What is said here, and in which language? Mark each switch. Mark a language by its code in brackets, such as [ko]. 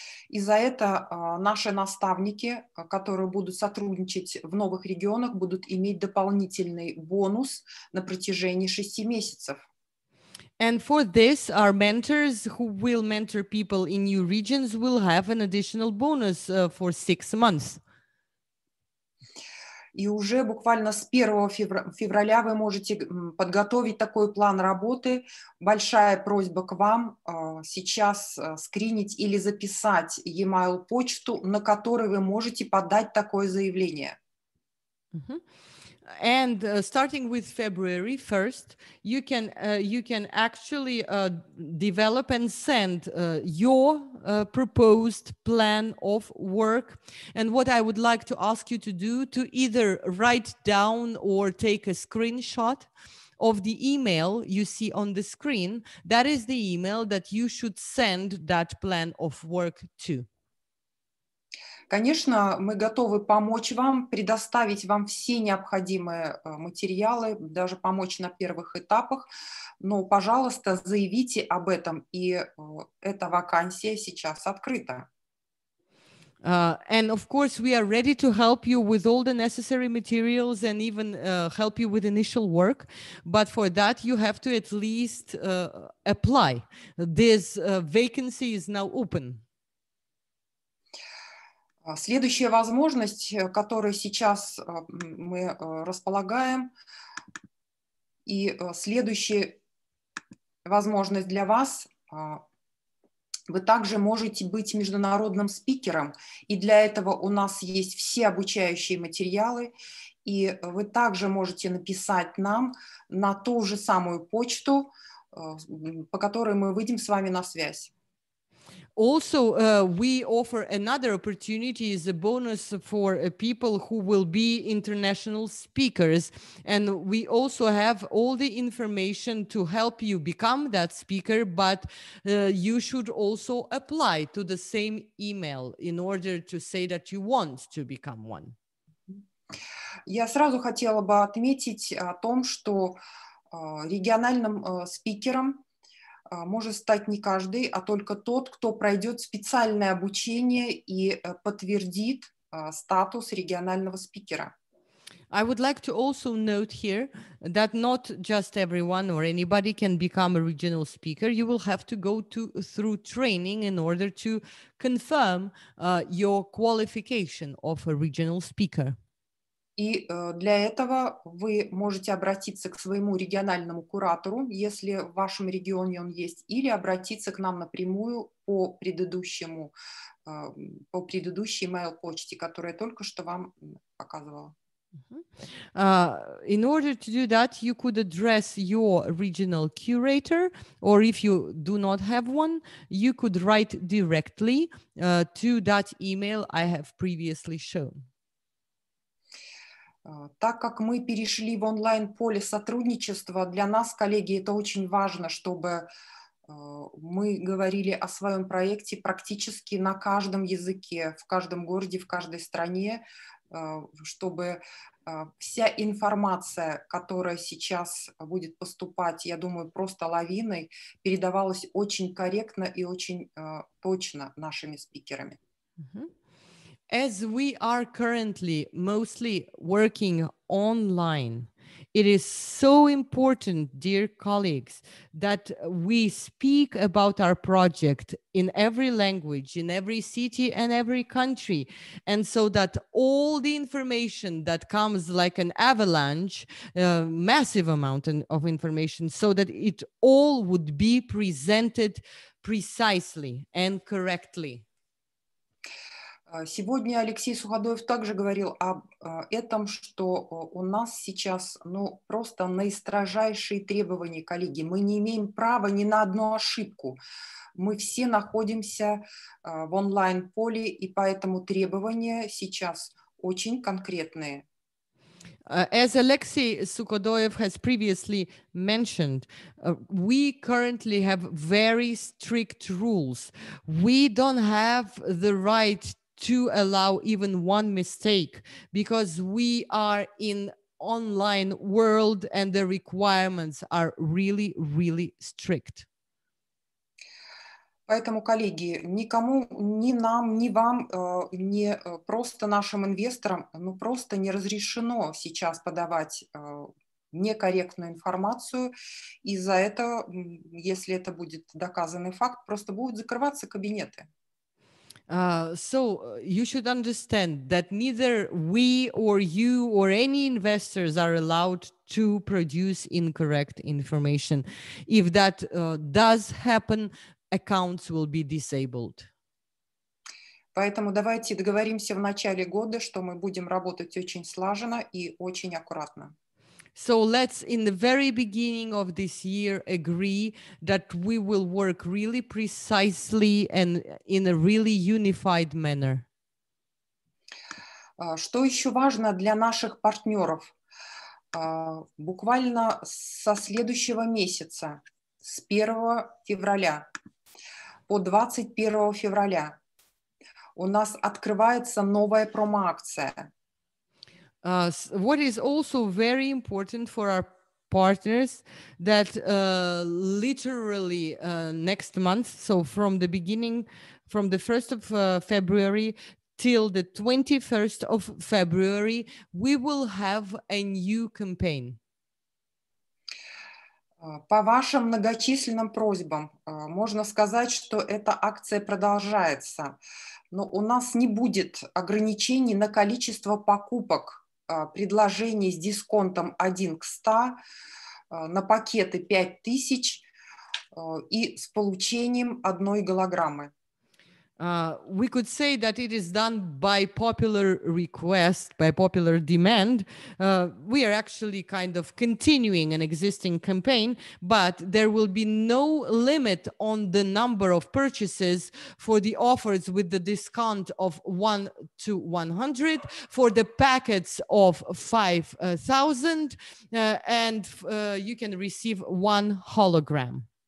[ru] И за это наши наставники, которые будут сотрудничать в новых регионах, будут иметь дополнительный бонус на протяжении 6 месяцев. [en] And for this, our mentors who will mentor people in new regions will have an additional bonus for 6 months. [ru] И уже буквально с 1 февраля вы можете подготовить такой план работы. Большая просьба к вам сейчас скринить или записать e-mail почту, на которой вы можете подать такое заявление. [en] And starting with February 1st, you can develop and send your proposed plan of work. And what I would like to ask you to do, to either write down or take a screenshot of the email you see on the screen. That is the email that you should send that plan of work to. [ru] Конечно, мы готовы помочь вам, предоставить вам все необходимые материалы, даже помочь на первых этапах, но, пожалуйста, заявите об этом, и эта вакансия сейчас открыта. [en] And of course, we are ready to help you with all the necessary materials and even help you with initial work. But for that, you have to at least apply. This vacancy is now open. [ru] Следующая возможность, которую сейчас мы располагаем, и следующая возможность для вас, вы также можете быть международным спикером, и для этого у нас есть все обучающие материалы, и вы также можете написать нам на ту же самую почту, по которой мы выйдем с вами на связь. [en] Also, we offer another opportunity as a bonus for people who will be international speakers. And we also have all the information to help you become that speaker, but you should also apply to the same email in order to say that you want to become one. [ru] Я сразу хотела бы отметить о том, что региональным спикерам может стать не каждый, а только тот, кто пройдет специальное обучение и подтвердит статус регионального спикера. [en] I would like to also note here that not just everyone or anybody can become a regional speaker. You will have to go to through training in order to confirm your qualification of a regional speaker. [ru] И для этого вы можете обратиться к своему региональному куратору, если в вашем регионе он есть, или обратиться к нам напрямую по предыдущей mail почте, которая только что вам показывала. [en] In order to do that, you could address your regional curator, or if you do not have one, you could write directly to that email I have previously shown. [ru] Так как мы перешли в онлайн-поле сотрудничества, для нас, коллеги, это очень важно, чтобы мы говорили о своем проекте практически на каждом языке, в каждом городе, в каждой стране, чтобы вся информация, которая сейчас будет поступать, я думаю, просто лавиной, передавалась очень корректно и очень точно нашими спикерами. [en] As we are currently mostly working online, it is so important, dear colleagues, that we speak about our project in every language, in every city and every country, and so that all the information that comes like an avalanche, a massive amount of information, so that it all would be presented precisely and correctly. [ru] Сегодня Алексей Суходоев также говорил об этом, что у нас сейчас, ну, просто наистрожайшие требования, коллеги. Мы не имеем права ни на одну ошибку. Мы все находимся в онлайн-поле, и поэтому требования сейчас очень конкретные. [en] As Alexei Sukhodoyev has previously mentioned, we currently have very strict rules. We don't have the right to allow even one mistake, because we are in online world and the requirements are really, really strict. [ru] Поэтому, коллеги, никому, ни нам, ни вам, ни просто нашим инвесторам, ну просто не разрешено сейчас подавать некорректную информацию. Из-за этого, если это будет доказанный факт, просто будут закрываться кабинеты. [en] So you should understand that neither we or you or any investors are allowed to produce incorrect information. If that does happen, accounts will be disabled. [ru] Поэтому давайте договоримся в начале года, что мы будем работать очень слаженно и очень аккуратно. [en] So let's, in the very beginning of this year, agree that we will work really precisely and in a really unified manner. [ru] Что еще важно для наших партнеров? Буквально со следующего месяца, с 1 февраля по 21 февраля, у нас открывается новая промо-акция. [en] What is also very important for our partners that literally next month, so from the beginning, from the 1st of February till the 21st of February, we will have a new campaign. [ru] По вашим многочисленным просьбам, можно сказать, что эта акция продолжается, но у нас не будет ограничений на количество покупок. Предложение с дисконтом 1 к 100 на пакеты 5000 и с получением одной голограммы. [en] We could say that it is done by popular request, by popular demand. We are actually kind of continuing an existing campaign, but there will be no limit on the number of purchases for the offers with the discount of 1 to 100, for the packets of 5,000, you can receive one hologram.